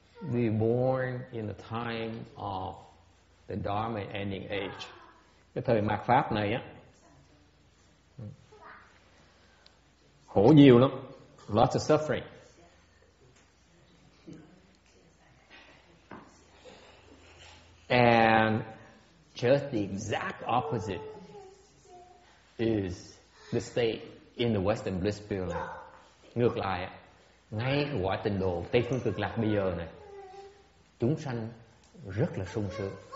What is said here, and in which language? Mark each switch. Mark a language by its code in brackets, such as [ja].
[en] We born in the time of the Dharma ending age. [vi] Cái thời mạt pháp này á, khổ nhiều lắm. [en] Lots of suffering. And just the exact opposite is the state in the Western Bliss Pyramid. [vi] Ngược lại á, ngay quả tình độ Tây Phương Cực Lạc bây giờ này, chúng sanh rất là sung sướng.